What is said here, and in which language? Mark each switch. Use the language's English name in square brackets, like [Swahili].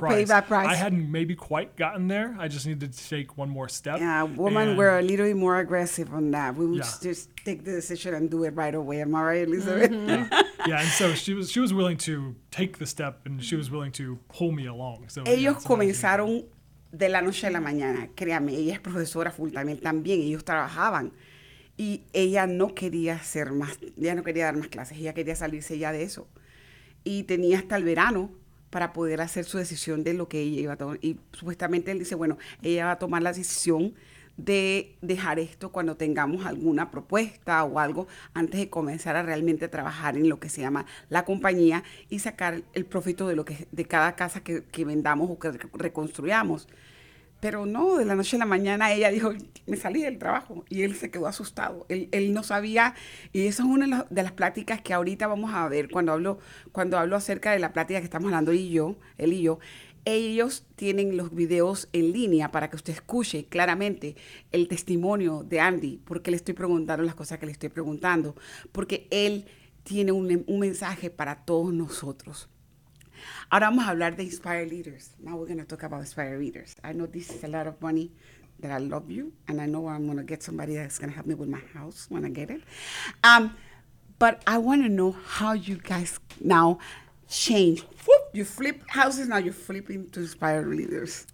[English] To pay that price. I hadn't maybe quite gotten there. I just needed to take one more step. Yeah, women were a little bit more aggressive on that. We would just take the decision and do it right away. Am I right, Elizabeth? Mm-hmm. Yeah, and so she was willing to take the step, and she was willing to pull me along. So [Spanish] ellos comenzaron de la noche a la mañana, créame, ella es profesora full time también, ellos trabajaban y ella no quería hacer más, ella no quería dar más clases, ella quería salirse ya de eso y tenía hasta el verano para poder hacer su decisión de lo que ella iba a tomar. Y supuestamente él dice, bueno, ella va a tomar la decisión de dejar esto cuando tengamos alguna propuesta o algo antes de comenzar a realmente trabajar en lo que se llama la compañía y sacar el profito de lo que de cada casa que vendamos o que reconstruyamos. Pero no, de la noche a la mañana ella dijo, me salí del trabajo, y él se quedó asustado. Él no sabía, y eso es una de las pláticas que ahorita vamos a ver cuando hablo acerca de la plática que estamos hablando él y yo. Ellos tienen los videos en línea para que usted escuche claramente el testimonio de Andy, porque le estoy preguntando las cosas que le estoy preguntando, porque él tiene un mensaje para todos nosotros. Ahora vamos a hablar de Inspire Leaders. [English] Now we're going to talk about Inspire Leaders. I know this is a lot of money that I love you, and I know I'm going to get somebody that's going to help me with my house when I get it. But I want to know how you guys now change. You flip houses, now you're flipping to Inspire Leaders.